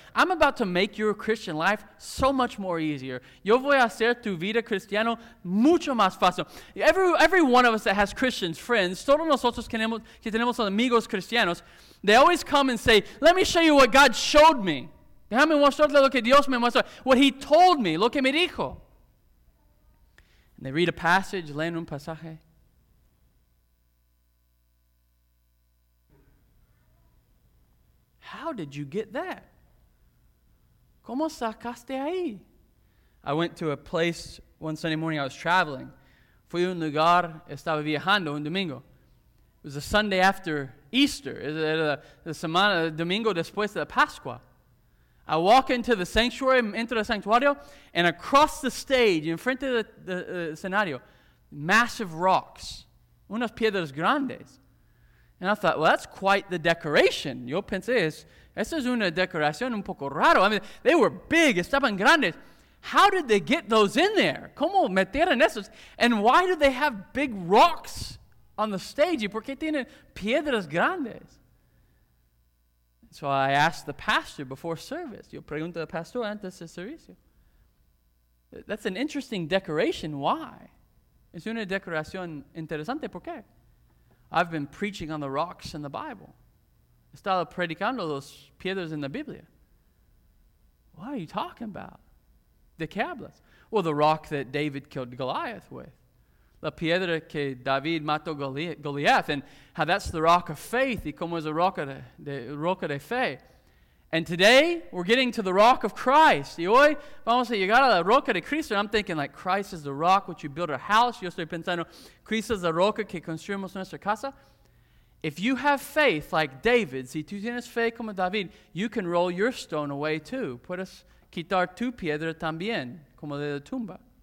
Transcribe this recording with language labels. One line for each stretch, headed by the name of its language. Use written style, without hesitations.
English: I'm about to make your Christian life so much more easier.
Spanish: Yo voy a hacer tu vida cristiano mucho más fácil.
English: Every one of us that has Christians, friends,
Spanish: todos nosotros que tenemos amigos cristianos,
English: they always come and say, let me show you what God showed me.
Spanish: Déjame mostrarte lo que Dios me mostró.
English: What he told me,
Spanish: lo que me dijo.
English: And they read a passage,
Spanish: leen un pasaje.
English: How did you get that?
Spanish: ¿Cómo sacaste ahí?
English: I went to a place one Sunday morning. I was traveling.
Spanish: Fui a un lugar, estaba viajando un domingo.
English: It was a Sunday after Easter. It was
Spanish: domingo después de la Pascua.
English: I walk into the sanctuary, into the santuario, and across the stage, in front of the escenario, massive rocks,
Spanish: unas piedras grandes.
English: And I thought, well, that's quite the decoration.
Spanish: Yo pensé, esa es una decoración un poco raro.
English: I mean, they were big,
Spanish: estaban grandes.
English: How did they get those in there?
Spanish: ¿Cómo metieron esos?
English: And why do they have big rocks on the stage?
Spanish: ¿Y por qué tienen piedras grandes?
English: So I asked the pastor before service.
Spanish: Yo pregunté al pastor antes de servicio.
English: That's an interesting decoration. Why?
Spanish: Es una decoración interesante. ¿Por qué?
English: I've been preaching on the rocks in the Bible.
Spanish: estaba predicando los piedras en la Biblia.
English: What are you talking about?
Spanish: ¿De qué hablas?
English: Well, the rock that David killed Goliath with.
Spanish: La piedra que David mató Goliath.
English: And how that's the rock of faith.
Spanish: Y cómo es la roca de fe.
English: And today, we're getting to the rock of Christ.
Spanish: Y hoy, vamos a llegar a la roca de Cristo.
English: And I'm thinking, like, Christ is the rock which you build a house.
Spanish: Yo estoy pensando, Cristo es la roca que construimos nuestra casa.
English: If you have faith like David,
Spanish: si tú tienes fe como David,
English: you can roll your stone away too.
Spanish: Puedes quitar tu piedra también, como de la tumba.